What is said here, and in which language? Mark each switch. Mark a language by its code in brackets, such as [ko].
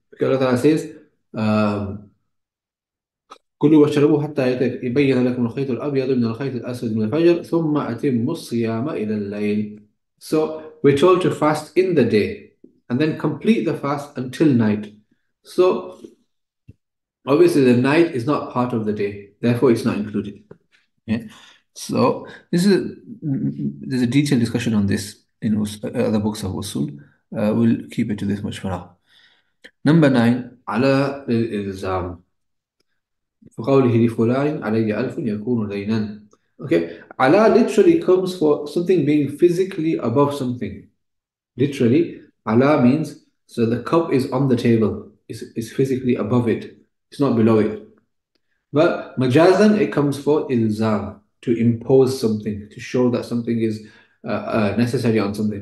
[en] Because Allah Ta'ala says, [ar] كلوا واشربوا حتى يبين لكم الخيط الأبيض من الخيط الأسود من الفجر ثم أتموا الصيام إلى الليل. [en] So we're told to fast in the day and then complete the fast until night. So obviously the night is not part of the day, therefore it's not included. Yeah. So this is there's a detailed discussion on this in other books of Usul. We'll keep it to this much for now. Number 9, [ar] على الإلزام. فقوله لفلان علي ألف يكون دينا. [en] Okay, على literally comes for something being physically above something. Literally, ala means, so the cup is on the table, it's physically above it, it's not below it. But majazan, it comes for ilzam, to impose something, to show that something is necessary on something.